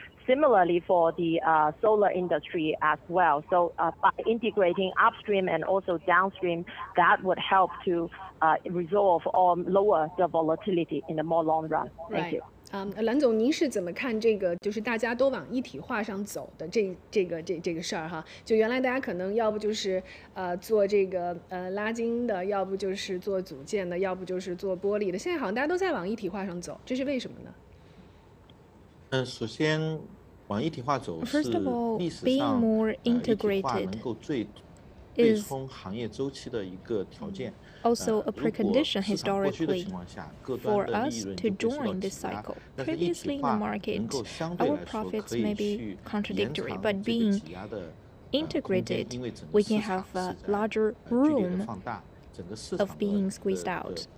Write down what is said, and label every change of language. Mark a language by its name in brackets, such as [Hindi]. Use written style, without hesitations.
[English] Similarly for the solar industry as well. So by integrating upstream and also downstream, that would help to resolve or lower the volatility in the more long run. Thank you. [Chinese] 蓝总，您是怎么看这个就是大家都往一体化上走的这个事儿哈？就原来大家可能要不就是做这个拉筋的，要不就是做组件的，要不就是做玻璃的，现在好像大家都在往一体化上走，这是为什么呢？首先往一体化走是历史上 [English] being more integrated [Chinese] 能够最对冲行业周期的一个条件。 [English] Also a precondition historically for us to join this cycle. Previously in the market, our profits may be contradictory, but being integrated, we can have a larger room of being squeezed out.